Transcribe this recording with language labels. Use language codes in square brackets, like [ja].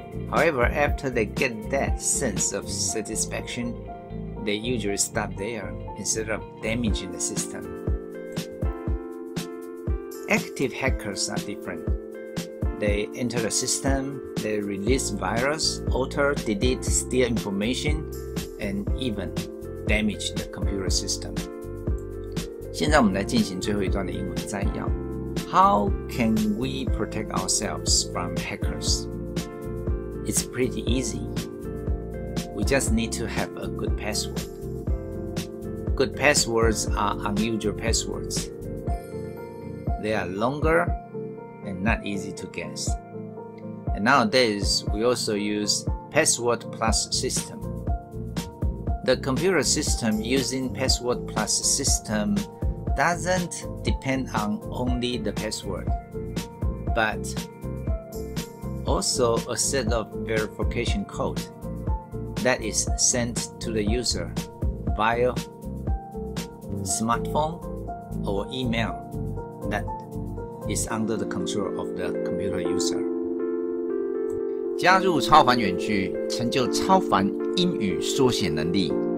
[en] However, after they get that sense of satisfaction, they usually stop there instead of damaging the system. Active hackers are different. They enter the system, they release virus, alter, delete, steal information, and even damage the computer system. [zh] 现在我们来进行最后一段的英文摘要。 [en] How can we protect ourselves from hackers? It's pretty easy. We just need to have a good password. Good passwords are unusual passwords. They are longer and not easy to guess. And nowadays, we also use password plus system. The computer system using password plus system doesn't depend on only the password, but also a set of verification code that is sent to the user via smartphone or email that is under the control of the computer user. [zh] 加入超凡遠距，成就超凡英语缩写能力。